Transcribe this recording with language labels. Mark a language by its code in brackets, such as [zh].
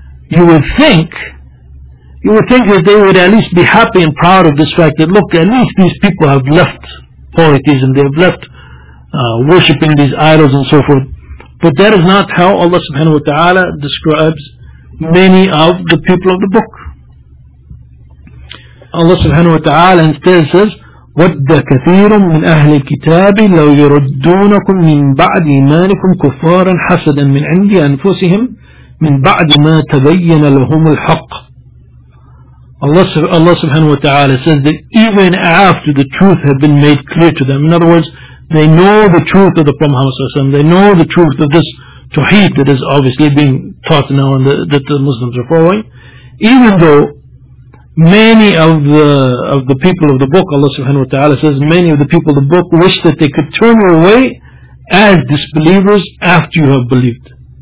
[en] You would think that they would at least be happy and proud of this fact that, look, at least these people have left polytheism, they have left worshipping these idols and so forth. But that is not how Allah subhanahu wa ta'ala describes many of the people of the book. Allah subhanahu wa ta'ala instead says, [ar] وَدَّ كَثِيرٌ مِّنْ أَهْلِ الْكِتَابِ لَوْ يُرُدُّونَكُمْ مِّنْ بَعْدِ إِيمَانِكُمْ كُفَّارًا حَسَدًا مِّنْ عِنْدِ أَنفُسِهِمْ مِّنْ بَعْدِ مَا تَبَيَّنَ لَهُمُ الْحَقِّ. [en] Allah subhanahu wa ta'ala says that even after the truth had been made clear to them, in other words, they know the truth of the Prophet Muhammad sallallahu alaihi wasallam, they know the truth of this tawheed that is obviously being taught now and that the Muslims are following, even though many of the people of the book, Allah subhanahu wa ta'ala says, many of the people of the book wish that they could turn away as disbelievers after you have believed.